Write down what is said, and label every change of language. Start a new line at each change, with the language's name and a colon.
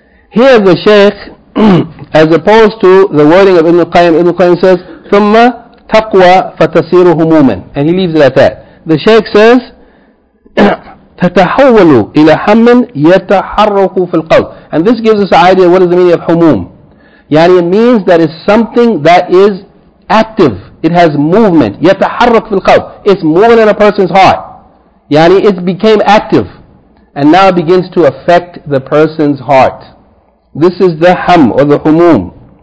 English: Here the Shaykh, as opposed to the wording of Ibn Qayyim says
Arabic: ثم تقوى فتصير هموما,
English: and he leaves it at that. The Shaykh says
Arabic: تتحول إلى حم يتحرك في القلب.
English: And this gives us an idea of what is the meaning of humum. Yani it means that it's something that is active. It has movement.
Arabic: يتحرك في القلب.
English: It's moving in a person's heart. Yani it became active. And now it begins to affect the person's heart. This is the ham or the humum.